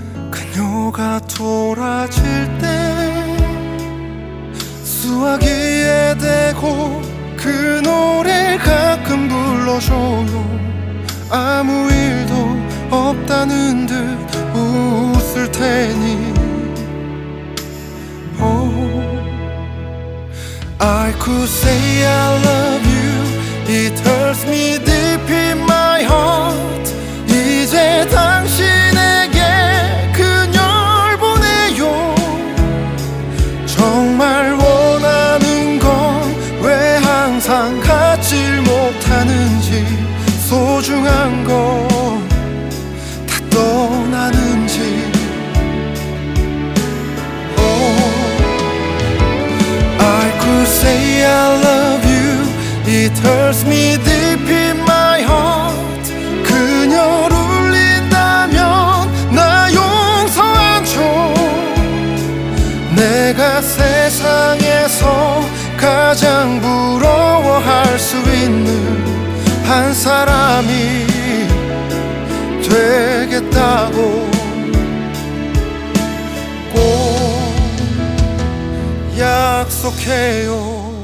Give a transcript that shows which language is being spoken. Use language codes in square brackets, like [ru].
[ko] 그녀가 돌아질 때 수화기에 대고 그 노래를 가끔 불러줘요. 아무 일도 없다는 듯 웃을 테니 oh. [en] I could say I love you. It hurts me deep in my heart. [ko] 이제 당신에게 그녀를 보내요. 정말 원하는 건 왜 항상 갖지 못하는지 소중한 건 다 떠나는지 oh. [en] I could say I love you. It hurts me deep in my heart. [ko] 그녀를 울린다면 나 용서하죠. 내가 세상에서 가장 부러워할 수 있는 한 사람이 되겠다고 꼭 약속해요.